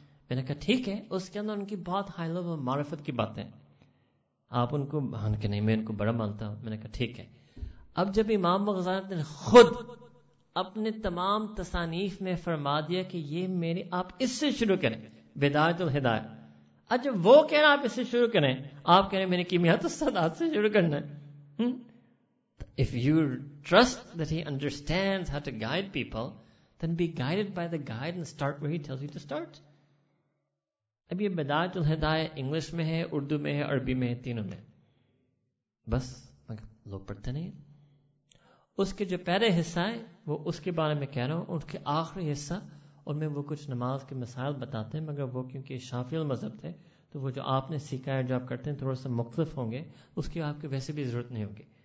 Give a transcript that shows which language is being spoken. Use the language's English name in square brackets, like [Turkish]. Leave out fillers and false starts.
[Urdu] میں نے کہا ٹھیک ہے, اس کے اندر ان کی بہت ہائی لیول معرفت کی باتیں, آپ ان کو مان کے نہیں, میں ان کو بڑا مانتا ہوں. میں نے کہا ٹھیک ہے. اب جب امام الغزالی نے خود اپنے تمام تصانیف میں فرما دیا کہ یہ میری, آپ اس سے شروع کریں بدایت الہدایہ, اچھا وہ کہہ رہا آپ اس سے شروع کریں, آپ کہہ رہے میں نے کیمیات السادات سے شروع کرنا ہے. [English] If you trust that he understands how to guide people, then be guided by the guide and start where he tells you to start. [Urdu] اب یہ بدایت الہدایہ انگلش میں ہے, اردو میں ہے, عربی میں ہے, تینوں میں, بس لوگ پڑھتے نہیں. اس کے جو پہلے حصہ ہیں وہ اس کے بارے میں کہہ رہا ہوں, ان کے آخری حصہ ان میں وہ کچھ نماز کے مسائل بتاتے ہیں, مگر وہ کیونکہ شافعی مذہب تھے تو وہ جو آپ نے سیکھا ہے, جو آپ کرتے ہیں, تھوڑا سا مختلف ہوں گے, اس کی آپ کی ویسے بھی ضرورت نہیں ہوگی.